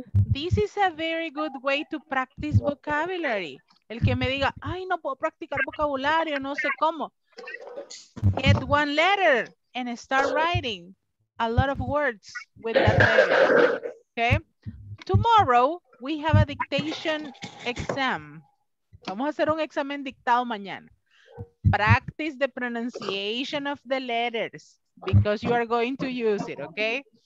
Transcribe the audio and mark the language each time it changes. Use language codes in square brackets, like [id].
[en] This is a very good way to practice vocabulary. [es] El que me diga, ay, no puedo practicar vocabulario, no sé cómo. [en] Get one letter and start writing a lot of words with that letter. Okay? Tomorrow, we have a dictation exam. [es] Vamos a hacer un examen dictado mañana. [en] Practice the pronunciation of the letters because you are going to use it, okay?